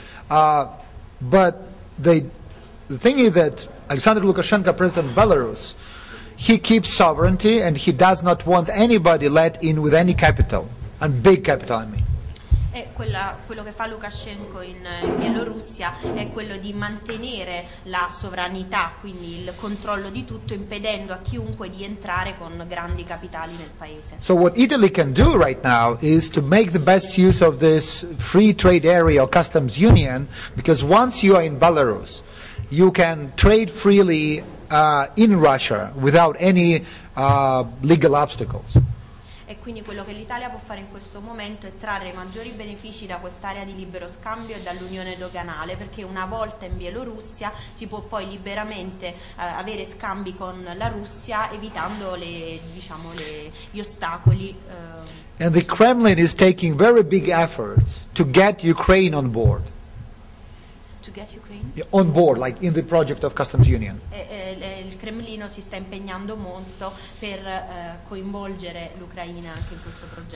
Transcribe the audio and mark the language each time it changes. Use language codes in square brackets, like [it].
[en] But the thing is that Alexander Lukashenko, President of Belarus, he keeps sovereignty and he does not want anybody let in with any capital, and big capital, I mean. [it] Quello che fa Lukashenko in Bielorussia è quello di mantenere la sovranità, quindi il controllo di tutto, impedendo a chiunque di entrare con grandi capitali nel paese. [en] So what Italy can do right now is to make the best use of this free trade area or customs union, because once you are in Belarus, you can trade freely in Russia without any legal obstacles. [it] E quindi quello che l'Italia può fare in questo momento è trarre maggiori benefici da quest'area di libero scambio e dall'unione doganale, perché una volta in Bielorussia si può poi liberamente avere scambi con la Russia, evitando gli ostacoli. [en] And the Kremlin is taking very big efforts to get Ukraine on board. To get Ukraine? Yeah, on board, like in the project of customs union. [it] Il Cremlino si sta impegnando molto per coinvolgere l'Ucraina anche in questo progetto.